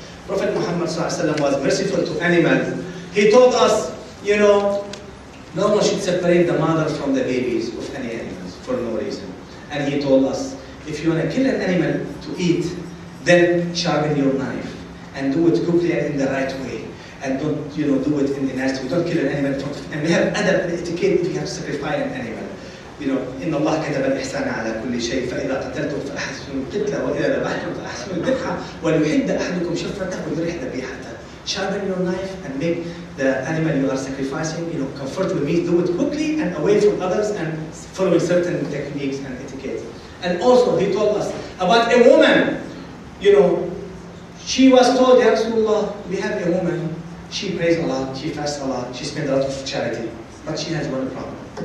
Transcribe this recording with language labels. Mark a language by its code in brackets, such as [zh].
[en] Prophet Muhammad ﷺ was merciful to animals. He told us, you know, no one should separate the mothers from the babies of any animals for no reason. And he told us, if you want to kill an animal to eat, then sharpen your knife and do it quickly and in the right way. And don't, you know, do it in the nasty way. Don't kill an animal. And we have adab and etiquette if you have to sacrifice an animal. You know, [ar] إن الله كتب الإحسان على كل شيء فإذا قتلتم فأحسنوا القتلة وإذا ذبحتم فأحسنوا الذبحة وليحد أحدكم شفرته وليريح ذبيحته. [en] Sharpen your knife and make the animal you are sacrificing, you know, comfortable with meat. Do it quickly and away from others and following certain techniques and etiquette. And also, he told us about a woman, you know, she was told, Ya Rasulullah, we have a woman, she prays a lot, she fasts a lot, she spends a lot of charity, but she has one problem.